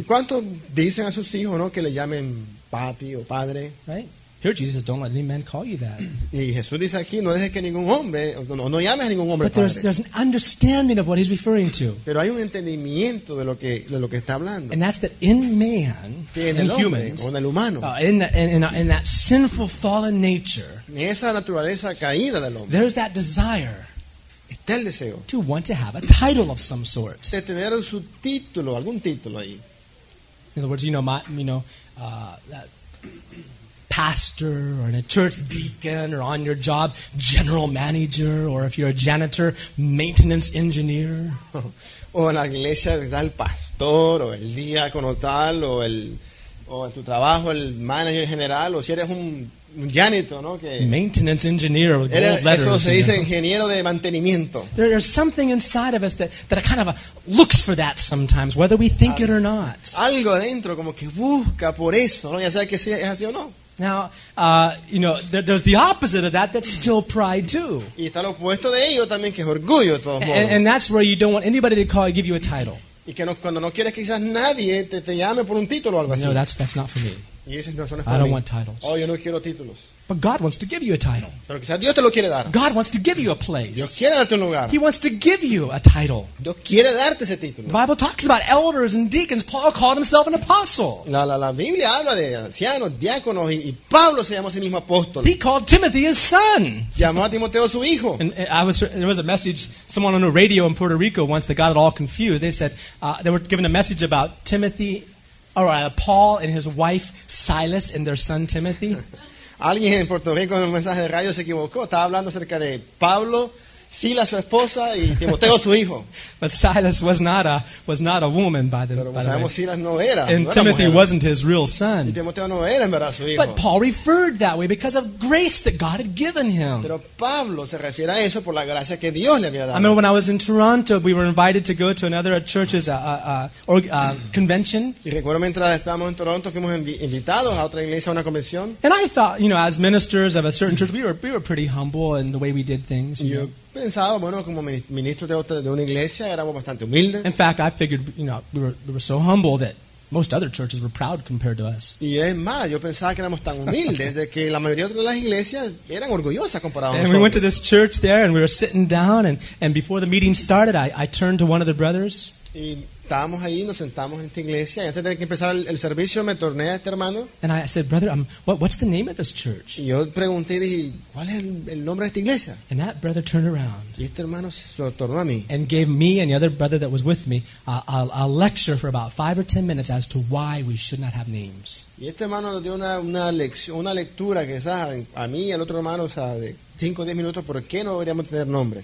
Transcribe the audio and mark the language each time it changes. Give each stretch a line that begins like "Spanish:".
Spanish: ¿Y cuántos dicen a sus hijos, ¿no?, que le llamen papi o padre?
English: Right. Here Jesus says, "Don't let any man call you that."
Spanish: Y Jesús dice aquí, no dejes que ningún hombre, no llames a ningún hombre padre.
English: But there's an understanding of what he's referring to.
Spanish: Pero hay un entendimiento de lo que está hablando.
English: And that's that in man, in humans,
Spanish: o en el humano,
English: in that sinful fallen nature,
Spanish: en esa naturaleza caída del hombre,
English: there's that desire.
Spanish: Está el deseo
English: to want to have a title of some sort.
Spanish: De tener su título, algún título ahí.
English: In other words, you know, my, you know, that pastor or in a church deacon or on your job, general manager, or if you're a janitor, maintenance engineer.
Spanish: O en la iglesia, el pastor, o el diácono tal, o el, o en tu trabajo, el manager general, o si eres un janitor, ¿no? Que
English: maintenance engineer with gold letters.
Spanish: Eso se dice ingeniero de mantenimiento.
English: There's something inside of us that kind of looks for that sometimes, whether we think it or not.
Spanish: Algo adentro como que busca por eso, ¿no? Ya sea que sea así o no.
English: Now, you know, there's the opposite of that. That's still pride too.
Spanish: Y está lo opuesto de ello también, que es orgullo de todos modos.
English: And that's where you don't want anybody to call, give you a title.
Spanish: Y que no, cuando no quieres que quizás nadie te llame por un título o algo así.
English: No, that's not for me.
Spanish: Y dices, no,
English: I don't
Spanish: mí.
English: Want titles.
Spanish: Oh, yo no quiero títulos.
English: But God wants to give you a title.
Spanish: Pero quizás Dios te lo quiere dar.
English: God wants to give you a place.
Spanish: Dios quiere darte un lugar.
English: He wants to give you a title.
Spanish: Dios quiere darte ese título.
English: The Bible talks about elders and deacons. Paul called himself an apostle.
Spanish: La Biblia habla de ancianos, diáconos, y Pablo se llamó a sí mismo apóstol.
English: He called Timothy his son.
Spanish: Llamó a Timoteo su hijo.
English: And there was a message, someone on a radio in Puerto Rico once, that got it all confused. They said, they were given a message about Timothy, or Paul and his wife Silas and their son Timothy.
Spanish: Alguien en Puerto Rico en un mensaje de radio se equivocó. Estaba hablando acerca de Pablo, Silas su esposa y Timoteo su hijo.
English: But Silas was not a woman by the
Spanish: way. Pero sabemos Silas no era.
English: And Timothy wasn't his real son.
Spanish: Y Timoteo no era en verdad su hijo.
English: But Paul referred that way because of grace that God had given him.
Spanish: Pero Pablo se refiere a eso por la gracia que Dios le había dado.
English: I remember when I was in Toronto, we were invited to go to another church's convention.
Spanish: Y recuerdo mientras estábamos en Toronto, fuimos invitados a otra iglesia a una convención.
English: And I thought, you know, as ministers of a certain church, we were pretty humble in the way we did things. You know?
Spanish: Pensaba, bueno, como ministro de una iglesia, éramos bastante humildes.
English: In fact, I figured, you know, we were so humble that most other churches were proud compared to us.
Spanish: Y es más, yo pensaba que éramos tan humildes de que la mayoría de las iglesias eran orgullosas comparado a nosotros.
English: And we went to this church there, and we were sitting down, and before the meeting started, I turned to one of the brothers.
Spanish: Y estábamos ahí, nos sentamos en esta iglesia, y antes de que empezara el servicio, me torné a este hermano.
English: And I said, brother, what's the name of this church?
Spanish: Y yo pregunté y dije, ¿cuál es el nombre de esta iglesia?
English: And that brother turned around.
Spanish: Y este hermano se tornó a mí.
English: And gave me and the other brother that was with me a lecture for about 5 or 10 minutes as to why we should not have names.
Spanish: Y este hermano nos dio una lectura que sabes a mí y al otro hermano, o sea, de 5 o 10 minutos, ¿por qué no deberíamos tener nombres?